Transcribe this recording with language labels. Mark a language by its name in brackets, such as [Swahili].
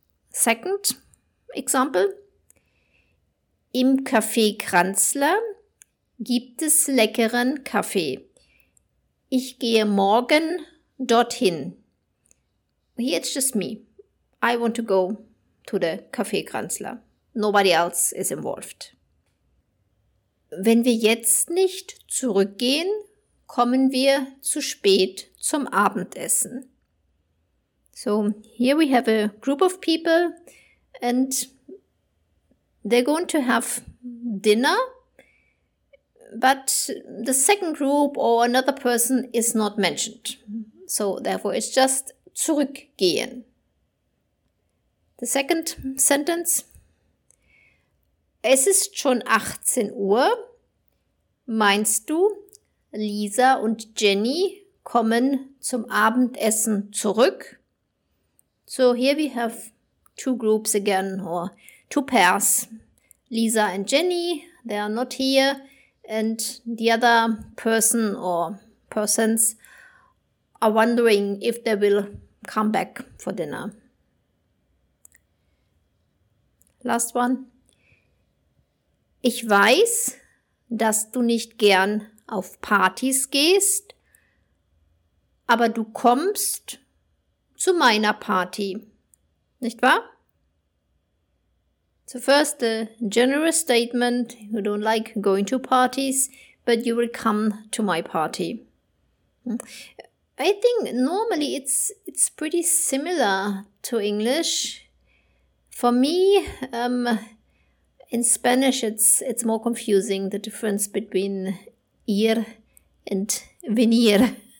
[English] Second example. [German] Im Café Kranzler gibt es leckeren Kaffee. Ich gehe morgen dorthin. [English] Here it's just me. I want to go to the Café Kranzler. Nobody else is involved. [German] Wenn wir jetzt nicht zurückgehen, kommen wir zu spät zum Abendessen. [English] So, here we have a group of people and they're going to have dinner, but the second group or another person is not mentioned. So, therefore, it's just zurückgehen. The second sentence. [German] Es ist schon 18 Uhr. Meinst du, Lisa und Jenny kommen zum Abendessen zurück? [English] So, here we have two groups again, or two pairs. Lisa and Jenny, they are not here. And the other person or persons are wondering if they will come back for dinner. Last one. [German] Ich weiß, dass du nicht gern auf Partys gehst, aber du kommst zu meiner Party. Nicht wahr? [English] So first, the general statement, you don't like going to parties, but you will come to my party. I think normally it's pretty similar to English. For me, in Spanish, it's more confusing, the difference between ir and venir.